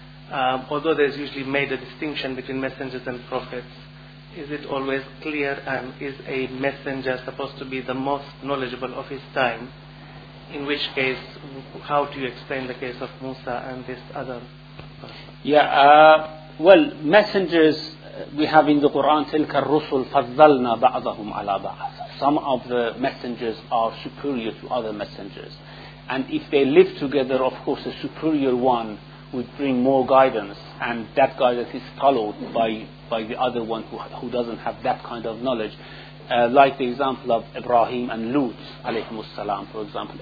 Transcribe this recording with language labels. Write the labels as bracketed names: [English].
[English] Although there is usually made a distinction between messengers and prophets, is it always clear, and is a messenger supposed to be the most knowledgeable of his time? In which case, how do you explain the case of Musa and this other person? Well, messengers we have in the Quran, [Arabic] تِلْكَ الرُّسُلْ فَضَّلْنَا بَعْضَهُمْ عَلَىٰ بَعْضٍ. [English] Some of the messengers are superior to other messengers. And if they live together, of course, the superior one would bring more guidance, and that guidance is followed by the other one who doesn't have that kind of knowledge. Like the example of Ibrahim and Lut, alayhim as-salam, for example.